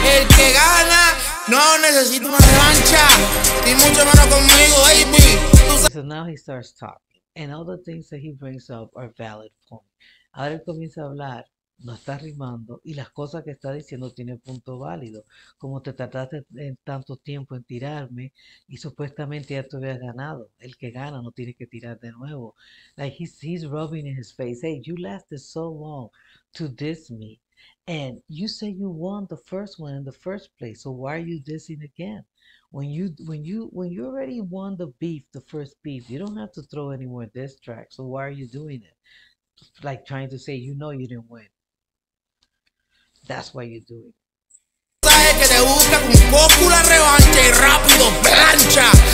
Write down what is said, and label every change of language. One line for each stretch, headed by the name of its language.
Spanish: El que gana no necesita una revancha, ni mucho menos conmigo, baby.
English: So now he starts talking, and all the things that he brings up are valid points.
Spanish: Ahora él comienza a hablar, no está rimando, y las cosas que está diciendo tiene punto válido. Como te tardaste en tanto tiempo en tirarme, y supuestamente ya te habías ganado. El que gana no tiene que tirar de nuevo.
English: Like he's rubbing in his face. Hey, you lasted so long to diss me, and you say you won the first one in the first place. So why are you dissing again? When you already won the beef, the first beef, you don't have to throw any more diss tracks. So why are you doing it? Like trying to say, you know you didn't win. That's why you do it.
Spanish: Sabes que te busca con poco la revancha y rápido plancha.